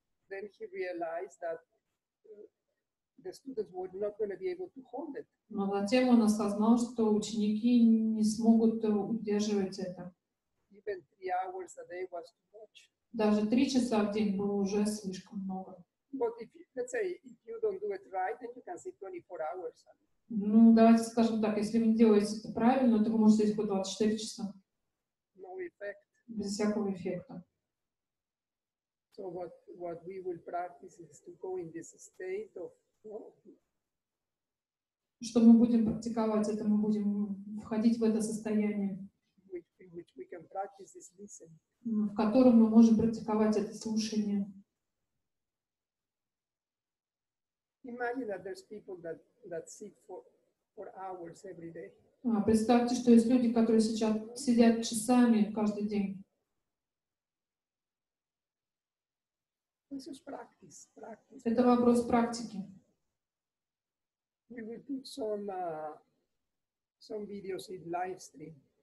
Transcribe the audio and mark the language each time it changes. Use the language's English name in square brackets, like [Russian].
[English] Then he realized that the students were not going to be able to hold it. [Russian] Но затем он осознал, что ученики не смогут удерживать это. [English] Even 3 hours a day was too much. [Russian] Даже 3 часа в день было уже слишком много. [English] But if, let's say, if you don't do it right, then you can sit 24 hours. [Russian] Ну, давайте скажем так, если вы не делаете это правильно, то вы можете сидеть по 24 часа. [English] No effect. [Russian] Без всякого эффекта. [English] So what we will practice is to go in this state of... [Russian] Что мы будем практиковать, это мы будем входить в это состояние. [English] Which we can practice this listening. [Russian] В котором мы можем практиковать это слушание. [English] Imagine that there's people that sit for hours every day. [Russian] Представьте, что есть люди, которые сейчас сидят часами каждый день. [English] This is practice. [Russian] Это вопрос практики. [English] We will put some videos in live stream.